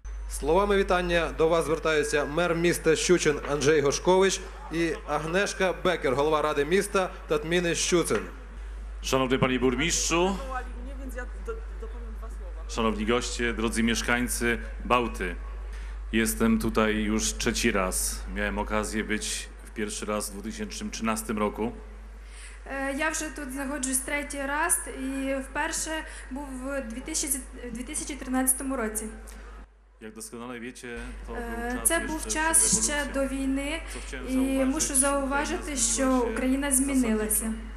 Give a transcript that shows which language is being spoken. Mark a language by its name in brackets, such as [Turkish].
[Ukrainian] Словами вітання до вас звертаються мер міста Щучин Анджей Гошкович і Агнешка Бекер, голова ради міста Татміни Щуцин. Шановний пані бурмістрю, шановні гості, дорогі мешканці Балти, [Polish] jestem tutaj już trzeci raz. Miałem okazję być w pierwszy raz w 2013 roku. [Ukrainian] Я вже тут знаходжусь третій раз і вперше був в 2013 році. Як досконало віче, то це був час ще до війни, і мушу зауважити, що Україна змінилася.